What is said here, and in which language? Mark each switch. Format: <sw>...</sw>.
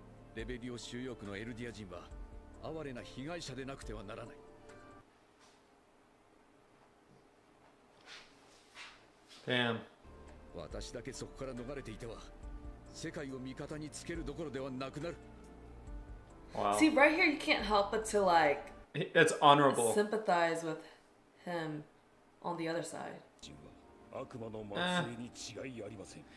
<ja>このままではあなたは死にます。あなたは餌にしては。当然、覚悟の上だ。Damn。私が表に立たなければ、世界は目を向けてくれない。Dude。ことはない。何より、私を含めレベリオ収容区のエルディア人は。哀れな被害者でなくてはならない。Damn。私だけそこから逃れていては、世界を味方につけるどころではなくなる。Wow.</ja> <en>See, right here, you can't help but to like. That's honorable. Sympathize with him on the other side.</en> <ja>悪魔の末裔に違いありません。</ja>